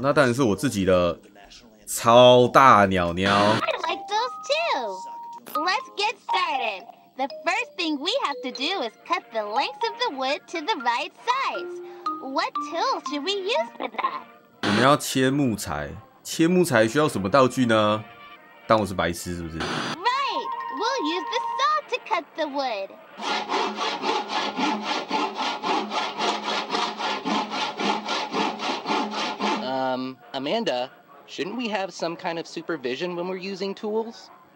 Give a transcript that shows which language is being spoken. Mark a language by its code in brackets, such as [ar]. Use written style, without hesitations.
[zh] 那当然是我自己的超大鸟鸟。 [en] I like those too. Let's get started. The first thing we have to do is cut the length of the wood to the right size. What tool should we use for that? [zh] 我们要切木材，切木材需要什么道具呢？当我是白痴是不是 [en] ？Right, we'll use the saw to cut the wood. Amanda, shouldn't we have some kind of supervision when we're using tools?